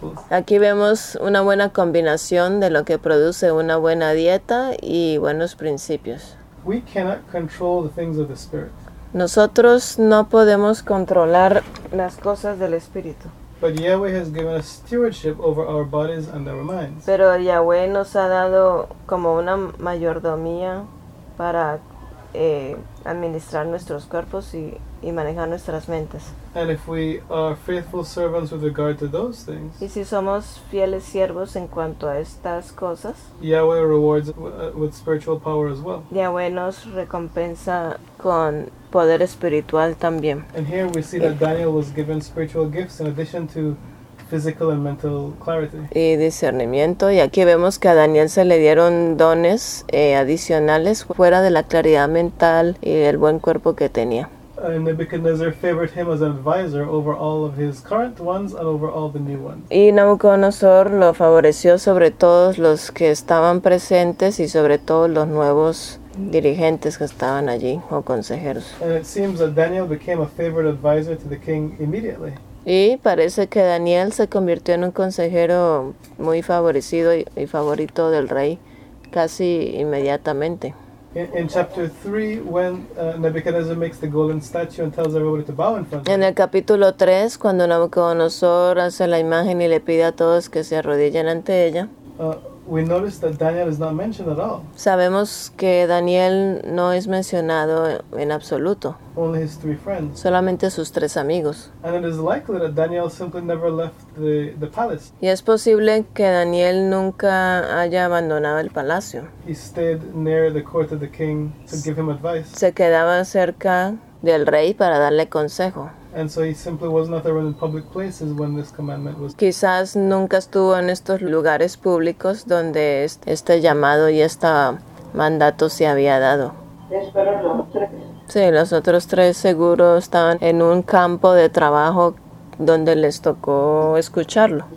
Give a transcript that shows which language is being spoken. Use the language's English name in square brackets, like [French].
[Spanish] Aquí vemos una buena combinación de lo que produce una buena dieta y buenos principios. [English] We cannot control the things of the spirit. [Spanish] Nosotros no podemos controlar las cosas del espíritu. [English] But Yahweh has given us stewardship over our bodies and our minds. [Spanish] Pero Yahweh nos ha dado como una mayordomía para administrar nuestros cuerpos y manejar nuestras mentes. [English] And if we are faithful servants with regard to those things. [Spanish] Y si somos fieles siervos en cuanto a estas cosas. [English] Yahweh rewards with spiritual power as well. [Spanish] Yahweh nos recompensa con poder espiritual también. [English] And here we see that Daniel was given spiritual gifts in addition to physical and mental clarity. [Spanish] Y discernimiento. Y aquí vemos que a Daniel se le dieron dones adicionales fuera de la claridad mental y el buen cuerpo que tenía. [English] And Nebuchadnezzar favored him as an advisor over all of his current ones and over all the new ones. [Spanish] Y Nabucodonosor lo favoreció sobre todos los que estaban presentes y sobre todos los nuevos dirigentes que estaban allí o consejeros. [English] And it seems that Daniel became a favorite advisor to the king immediately. [Spanish] Y parece que Daniel se convirtió en un consejero muy favorecido y favorito del rey casi inmediatamente. [English] In chapter 3, when Nebuchadnezzar makes the golden statue and tells everybody to bow in front of him. [Spanish] En el capítulo 3, cuando Nabucodonosor hace la imagen y le pide a todos que se arrodillen ante ella. [English] We notice that Daniel is not mentioned at all. [Spanish] Sabemos que Daniel no es mencionado en absoluto. [English] Only his 3 friends. [Spanish] Solamente sus 3 amigos. [English] And it is likely that Daniel simply never left the palace. [Spanish] Y es posible que Daniel nunca haya abandonado el palacio. [English] He stayed near the court of the king to give him advice. [Spanish] Se quedaba cerca del rey para darle consejo. [English] And so he simply was not around in public places when this commandment was. [Spanish] Quizás nunca estuvo en estos lugares públicos donde este llamado y este mandato se había dado. Espero los 3. Sí, los otros 3 seguro estaban en un campo de trabajo donde les tocó escucharlo.